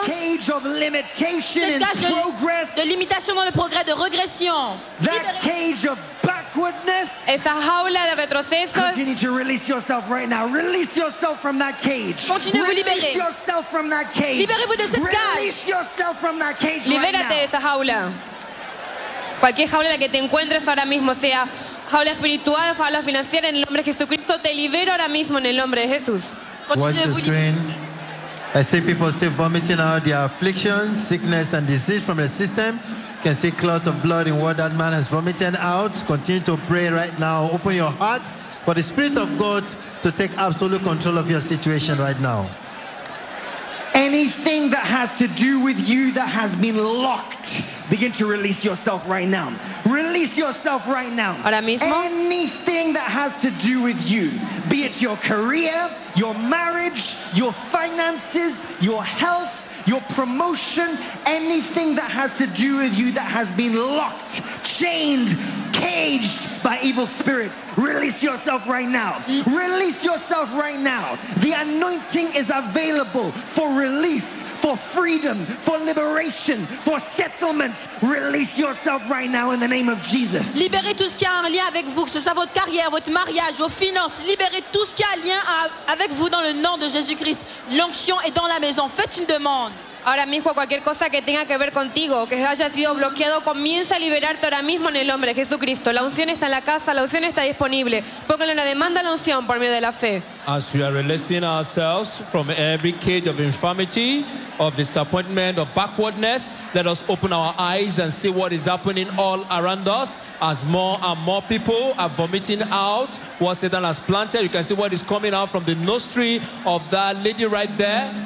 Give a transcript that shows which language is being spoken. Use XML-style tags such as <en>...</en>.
<en>That cage of limitation and progress.</en> <es>De limitación o de progreso, de regresión.</es> <en>That cage of backwardness.</en> <es>Esa jaula de retroceso.</es> <en>Continue to release yourself right now. Release yourself from that cage.</en> <fr>Continuez-vous libérer.</fr> <en>Release yourself from that cage.</en> <fr>Libérez-vous de cette cage.</fr> <en>Release yourself from that cage right now.</en> <es>Libérate de esa jaula. Cualquier jaula en la que te encuentres ahora mismo, sea jaula espiritual, jaula financiera, en el nombre de Jesucristo, te libero ahora mismo en el nombre de Jesús.</es> <en>Watch the screen. I see people still vomiting out their affliction, sickness and disease from the system. Can see clots of blood in what that man has vomited out. Continue to pray right now. Open your heart for the Spirit of God to take absolute control of your situation right now. Anything that has to do with you that has been locked, begin to release yourself right now. Release yourself right now.</en> <es>Ahora mismo.</es> <en>Anything that has to do with you, be it your career, your marriage, your finances, your health, your promotion, anything that has to do with you that has been locked, chained, caged by evil spirits, release yourself right now. Release yourself right now. The anointing is available for release, for freedom, for liberation, for settlement. Release yourself right now in the name of Jesus.</en> <fr>Libérez tout ce qui a un lien avec vous, que ce soit votre carrière, votre mariage, vos finances. Libérez tout ce qui a un lien avec vous dans le nom de Jésus-Christ. L'onction est dans la maison. Faites une demande.</fr> <es>Ahora mismo, cualquier cosa que tenga que ver contigo, que haya sido bloqueado, comienza a liberarte ahora mismo en el nombre de Jesucristo. La unción está en la casa, la unción está disponible. Póngale una demanda a la unción por medio de la fe.</es> <en>As we are releasing ourselves from every cage of infirmity, of disappointment, of backwardness, let us open our eyes and see what is happening all around us. As more and more people are vomiting out what Satan has planted, you can see what is coming out from the nostril of that lady right there.</en>